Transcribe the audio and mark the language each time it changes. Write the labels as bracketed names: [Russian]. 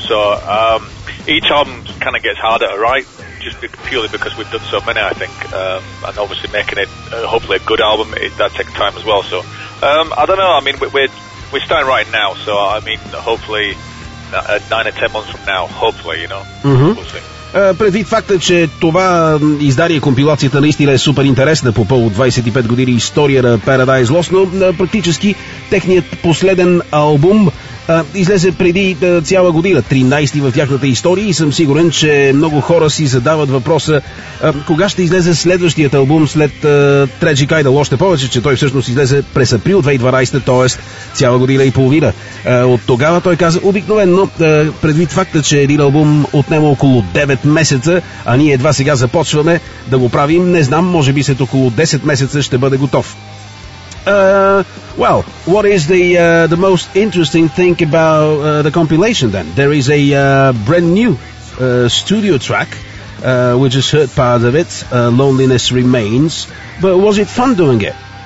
[English] So each album kind of gets harder to write, just purely because we've done so many, I think, and obviously making it hopefully a good album, that takes time as well. So I don't know. I mean, we're starting writing now, so I mean, hopefully 9 or 10 months from now, hopefully, you know. Mm-hmm. We'll see. [Bulgarian] Предвид факта, че това издание, компилацията, наистина е супер интересна по повод 25 години история на Paradise Lost, но практически техният последен албум излезе преди цяла година, 13-ти в тяхната история, и съм сигурен, че много хора си задават въпроса кога ще излезе следващият албум след Tragic Idol, още повече, че той всъщност излезе през април 2012, т.е. цяла година и половина. От тогава той каза, обикновено, предвид факта, че един албум отнема около 9 месеца, а ние едва сега започваме да го правим, не знам, може би след около 10 месеца ще бъде готов. [English] Well, what is the most interesting thing about the compilation then? There is a brand new studio track, we just heard part of it, Loneliness Remains. But was it fun doing it?